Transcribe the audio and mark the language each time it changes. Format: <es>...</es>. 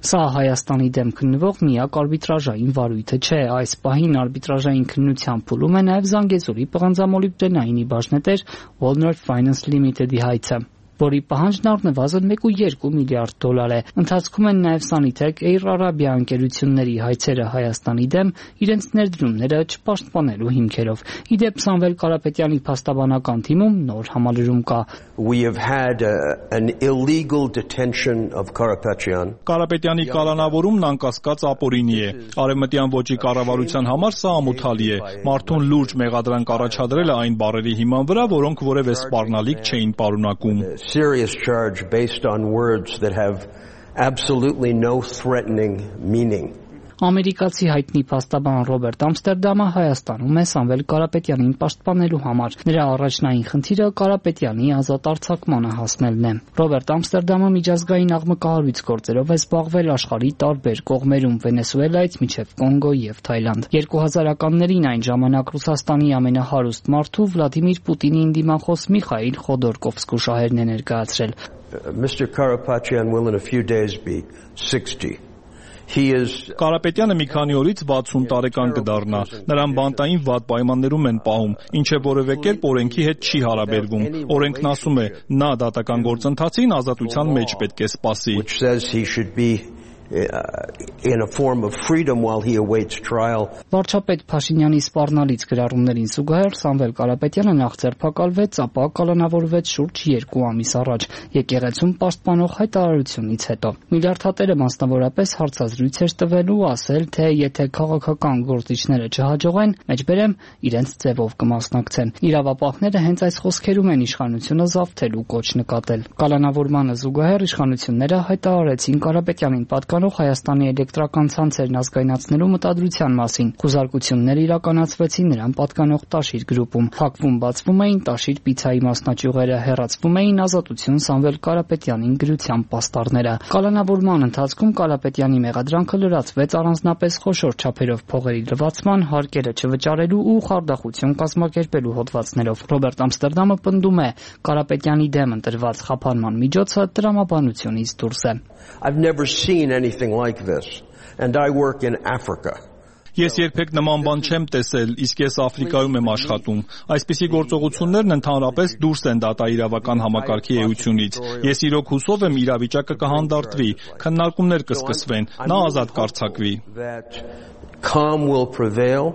<hy>Սա Հայաստանի դեմ քննվող միակ արբիտրաժային վարույթը չէ։ Այս պահին արբիտրաժային քննության փուլում է նաև Զանգեզուրի պղնձամոլիբդենայինի բաժնետեր Walnut Finance Limited-ի հայցը, որի պահանջն առնվազն 1.2 միլիարդ դոլար է։ Ընթացքում են նաև Sanitec Air Arabia ընկերությունների հայցերը Հայաստանի դեմ իրենց ներդրումները չպաշտպանելու հիմքերով։ Իդեպ Սամվել Կարապետյանի փաստաբանական թիմում նոր համալրում կա։</hy> <en>We have had an illegal detention of Karapetyan.</en> <hy>Կարապետյանի կալանավորումն անկասկած ապօրինի է։ Արևմտյան ոճի կառավարության համար սա ամոթալի է։ Մարդուն լուրջ մեղադրանք առաջադրել է այն բարերի հիման վրա, որոնք որևէ սպառնալիք չէին պարունակում։</hy> <en>Serious charge based on words that have absolutely no threatening meaning.</en> <hy>Ամերիկացի հայտնի փաստաբան Ռոբերտ Ամստերդամը Հայաստանում է Սամվել Կարապետյանին պաշտպանելու համար։ Նրա առաջնային խնդիրը Կարապետյանի ազատ արձակմանը հասնելն է։ Ռոբերտ Ամստերդամը միջազգային աղմկահարույց գործերով է զբաղվել աշխարհի տարբեր կողմերում՝ Վենեսուելայից մինչև Կոնգո և Թայլանդ։ 2000-ականներին այն ժամանակ Ռուսաստանի ամենահարուստ մարդու Վլադիմիր Պուտինին դիմախոս Միխայիլ Խոդորկովսկու շահերն է ներկայացրել։</hy> <en>Mr. Karapetyan will in a few days be 60.</en> <hy>Կարապետյանը մի քանի օրից 60 տարեկան կդառնա։ Նրան բանտային վատ պայմաններում են պահում, ինչը որևէ կերպ օրենքի հետ չի հարաբերվում։ Օրենքն ասում է, նա դատական գործընթացին ազատության մեջ պետք է սպասի։</hy> <en>In a form of freedom while he awaits trial.</en> <hy>Վարչապետ Փաշինյանի սպառնալից գրառումներին զուգահեռ Սամվել Կարապետյանը նախ ձերբակալվեց, ապա կալանավորվեց շուրջ 2 ամիս առաջ, եկեղեցում պաշտպանող հայտարարությունից հետո։ Միլիարդատերը մասնավորապես հարցազրույց էր տվելու, ասել, թե եթե քաղաքական գործիչները չհաջողեն, մեջբերեմ իրենց ձևով կմասնակցեն։ Իրավապահները հենց այս խոսքերում են իշխանությունը զավթելու կոչ նկատել։ Կալանավորմանը զուգահեռ իշխանությունները հայտարարեցին Կարապետյանին պատկանող Հայաստանի էլեկտրական ցանցերն ազգայնացնելու մտադրության մասին։ Խուզարկությունները իրականացվեցին նրան պատկանող Տաշիր գրուպում։ Փակվում բացվում էին Տաշիր պիցայի մասնաճյուղերը, հեռացվում էին ազատություն Սամվել Կարապետյանին գրության պաստառները։ Կալանավորման ընթացքում Կարապետյանի մեղադրանքը լրացվեց առանձնապես խոշոր չափերով փողերի լվացման, հարկերը չվճարելու ու խարդախություն կազմակերպելու հոդվածներով։ Ռոբերտ Ամստերդամը պնդում է, Կարապետյանի դեմ ընտրված խափանման միջոցը տրամաբանությունից դուրս է։</hy> <en>I've never seen anything like this, and I work in Africa.</en> <hy>Ես երբեք նման բան չեմ տեսել, իսկ ես Աֆրիկայում եմ աշխատում։ Այսպիսի գործողություններն ընդհանրապես դուրս են դատա իրավական համակարգի էությունից։ Ես իրոք հուսով եմ իրավիճակը կհանդարտվի, քննարկումներ կսկսվեն, նա ազատ կարձակվի։</hy> <en>Calm will prevail.</en>